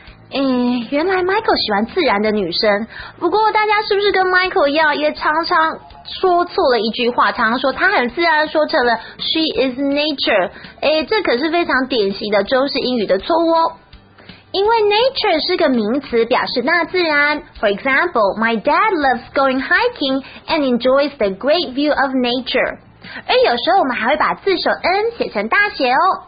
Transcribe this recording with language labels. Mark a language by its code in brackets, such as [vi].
[zh] 诶，原来 Michael 喜欢自然的女生。不过大家是不是跟 Michael 一样，也常常说错了一句话，常常说她很自然，说成了 [en] She is nature。 [zh] 诶，这可是非常典型的中式英语的错误哦。因为 nature 是个名词，表示大自然。 [en] For example, my dad loves going hiking and enjoys the great view of nature。 [zh] 而有时候我们还会把字首 N 写成大写哦。